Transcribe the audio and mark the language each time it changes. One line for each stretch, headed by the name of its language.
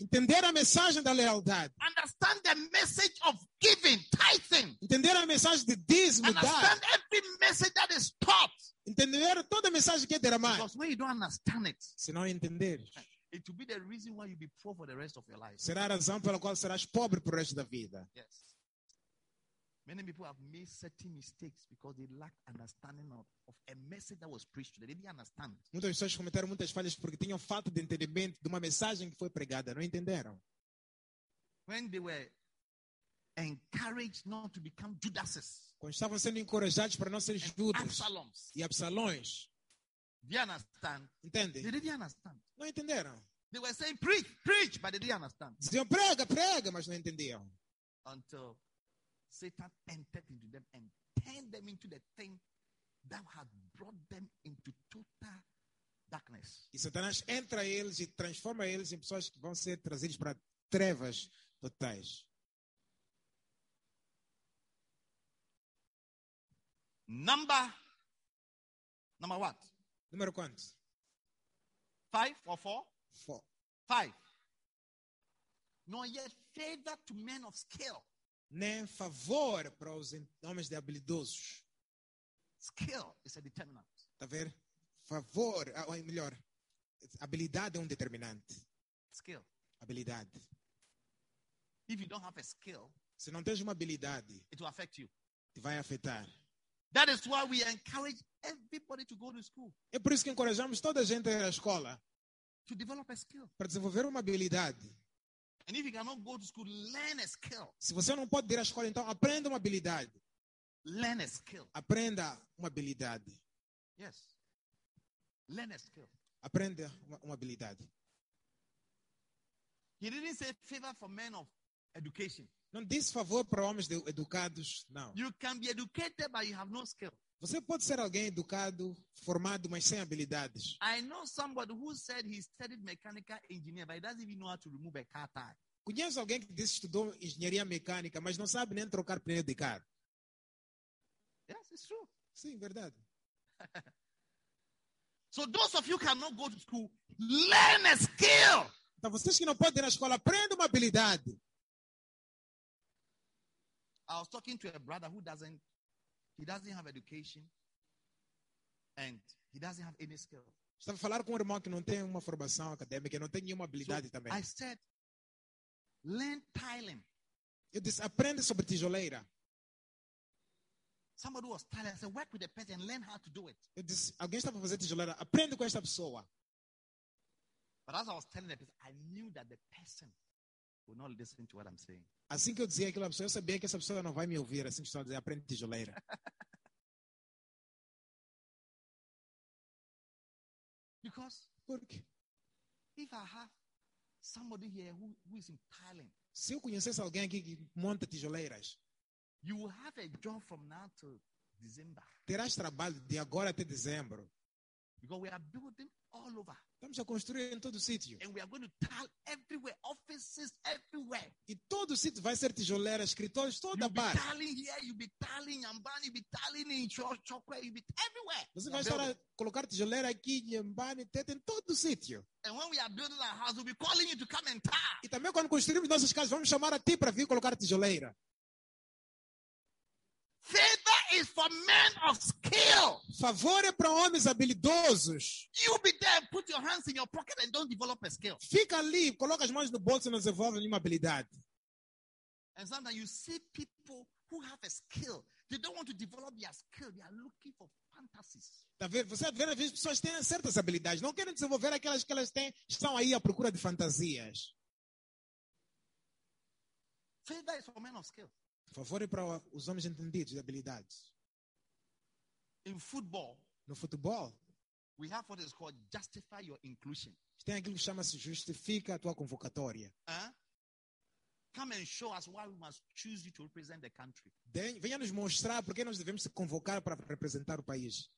Portuguese: Entender a mensagem da lealdade.
English: Understand the message of giving, tithing.
Portuguese: Entender a mensagem de dízimo, dar.
English: Understand every message that is taught.
Portuguese: Entender toda a mensagem que é derramada.
English: Because when you don't understand it,
Portuguese: se não entender,
English: it will be the reason why you'll be poor for the rest of your life.
Portuguese: Será a razão pela qual serás pobre pro resto da vida.
English: Yes. Many people have made certain mistakes because they lack understanding of a message that was preached to them. They didn't understand.
Portuguese: Muitas pessoas cometeram muitas falhas porque tinham falta de entendimento de uma mensagem que foi pregada. Não entenderam.
English: When they were encouraged not to become Judases.
Portuguese: Quando estavam sendo encorajados para não ser Judas.
English: Absaloms.
Portuguese: E Absalões.
English: They understand.
Portuguese: Entende?
English: They didn't understand.
Portuguese: Não entenderam.
English: They were saying, preach, preach, but they didn't understand.
Portuguese: Diziam, prega, prega, mas não entendiam.
English: Until Satan entered into them and turned them into the thing that had brought them into total darkness.
Portuguese: E Satanás entra eles e transforma eles em pessoas que vão ser trazidos para trevas totais.
English: Number what?
Portuguese: Número quanto?
English: Five or four? Four. Five. Nor yet favor to men of skill.
Portuguese: Nem favor para os homens de habilidosos.
English: Skill is a determinant.
Portuguese: Está a ver? Favor, ou melhor, habilidade é determinante.
English: Skill.
Portuguese: Habilidade.
English: If you don't have a skill,
Portuguese: se não tens uma habilidade,
English: it will affect you.
Portuguese: Te vai afetar.
English: That is why we encourage everybody to go to school.
Portuguese: É por isso que encorajamos toda a gente a ir à escola.
English: To develop a skill.
Portuguese: Para desenvolver uma habilidade.
English: And if you cannot go to school, learn a skill.
Portuguese: Se você não pode ir à escola, então aprenda uma habilidade.
English: Learn a skill.
Portuguese: Aprenda uma habilidade.
English: Yes. Learn a skill.
Portuguese: Aprenda uma habilidade.
English: He didn't say favor for men of education.
Portuguese: Não disse favor para homens educados, não.
English: You can be educated, but you have no skill.
Portuguese: Você pode ser alguém educado, formado, mas sem habilidades.
English: I know somebody who said he studied mechanical engineering, but he doesn't even know how to remove a car tire.
Portuguese: Conheço alguém que disse que estudou engenharia mecânica, mas não sabe nem trocar pneu de carro.
English: Yes, it's true.
Portuguese: Sim, verdade.
English: So those of you who cannot go to school, learn a skill.
Portuguese: Então vocês que não podem ir na escola, aprendam uma habilidade.
English: I was talking to a brother who doesn't have education and he doesn't have any skill.
Portuguese: Estava a falar com um irmão que não tem uma formação acadêmica, não tem nenhuma habilidade
English: so,
Portuguese: também.
English: I said, learn tiling.
Portuguese: Eu disse, aprende sobre tijoleira.
English: Somebody was tiling. I said, work with the person and learn how to do it.
Portuguese: Eu disse, alguém estava a fazer tijoleira. Aprende com esta pessoa.
English: But as I was telling the person, I knew that the person would not listen to what I'm saying.
Portuguese: Assim que eu dizia aquilo à pessoa, eu sabia que essa pessoa não vai me ouvir. Assim que eu dizia, aprende tijoleira. Porque
English: if I have somebody here who is in tiling,
Portuguese: se eu conhecesse alguém aqui que monta tijoleiras,
English: you will have a job from now to December.
Portuguese: Terás trabalho de agora até dezembro.
English: Because we are building all over.
Portuguese: Estamos a construir em todo o sítio.
English: And we are going to tile everywhere, offices everywhere.
Portuguese: E todo o sítio vai ser tijoleira, escritórios, toda parte.
English: You'll be tiling here, you'll be tiling in Yambani, you'll be tiling in Chokwe, you'll be everywhere.
Portuguese: Você vai estar a colocar tijoleira aqui em Yambani, em todo o sítio.
English: And when we are building our house, we'll be calling you to come and tile.
Portuguese: E também quando construirmos nossas casas, vamos chamar a ti para vir colocar tijoleira.
English: Favor is for men of skill.
Portuguese: Favor é para homens habilidosos.
English: You be there, put your hands in your pocket and don't develop a skill.
Portuguese: Fica ali, coloca as mãos no bolso e não desenvolve nenhuma habilidade.
English: And sometimes you see people who have a skill. They don't want to develop their skill. They are looking for fantasies.
Portuguese: Tá vendo? Você vê as pessoas têm certas habilidades. Não querem desenvolver aquelas que elas têm. Estão aí à procura de fantasias. Favor is for men of skill. Favor é para os homens entendidos de habilidades.
English: In football,
Portuguese: no futebol,
English: we have what is called justify your inclusion.
Portuguese: Tem aquilo que chama-se justifica a tua convocatória.
English: Come and show us why we must choose you to represent the country.
Portuguese: Venha nos mostrar por que nós devemos te convocar para representar o país.